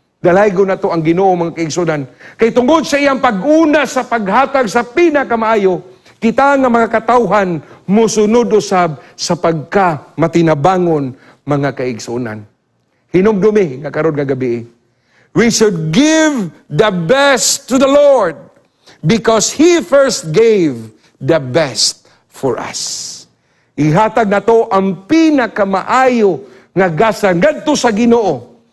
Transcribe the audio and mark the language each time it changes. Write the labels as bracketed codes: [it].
[ceb] Dalaygo na to ang Ginoo, mga kaigsunan. Kay tungod sa iyang pag-una sa paghatag sa pinakamaayo, kita nga mga katauhan musunod usab sa pagka matinabangon, mga kaigsunan. Hinumdumi nga karon nga gabi. [en] We should give the best to the Lord because He first gave the best for us. [ceb] Ihatag na to ang pinakamaayo nga gasang ngadto sa Ginoo.